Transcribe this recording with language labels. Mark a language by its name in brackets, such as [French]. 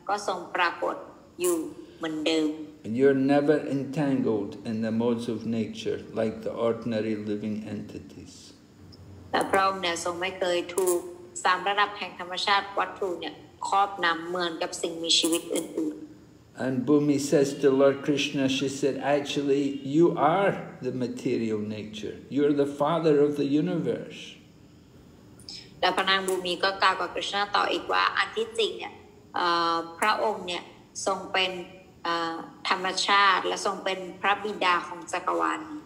[English] And you're never entangled in the modes of nature like the ordinary living entities. [Thai] พระองค์เนี่ยทรงไม่เคยถูกสามระดับแห่งธรรมชาติวัตถุเนี่ย ครอบนำเหมือนกับสิ่งมีชีวิตอื่น [English] ๆ And Bhumi says to Lord Krishna, she said, actually, you are the material nature. You are the father of the universe. [Thai] แล้วพนางบูมีก็กล่าวกับคริชนาต่ออีกว่าอันที่จริงเนี่ยพระองค์เนี่ยทรงเป็นธรรมชาติและทรงเป็นพระบิดาของจักรวาล